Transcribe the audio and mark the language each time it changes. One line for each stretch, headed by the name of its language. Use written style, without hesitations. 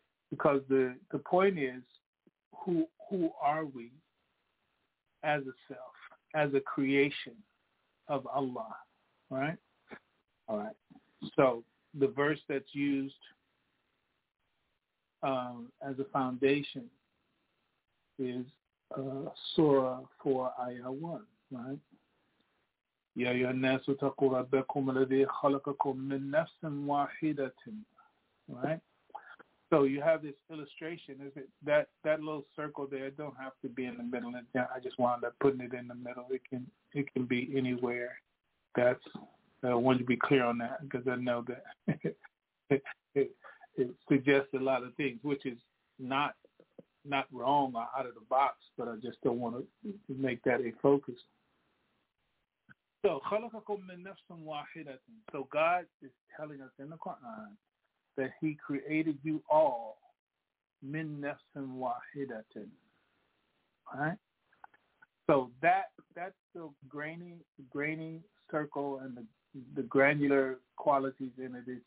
English: Because the point is, who are we as a self, as a creation of Allah, right? All right. So the verse that's used as a foundation is Surah 4, Ayah 1, right?
Arabic: يَا أَيُّهَا النَّاسُ اتَّقُوا رَبَّكُمُ الَّذِي خَلَقَكُم مِّن نَّفْسٍ وَاحِدَةٍ, right?
English: So you have this illustration. Is it that little circle there? It don't have to be in the middle. I just wound up putting it in the middle. It can be anywhere. That's, I want to be clear on that, because I know that it suggests a lot of things, which is not wrong or out of the box, but I just don't want to make that a focus.
Arabic: So خَلَقَكُم مِّن نَّفْسٍ وَاحِدَةٍ.
English: So God is telling us in the Quran that he created you all
Arabic: min nafsin wahidatin.
English: Right? So that's the grainy circle, and the granular qualities in it.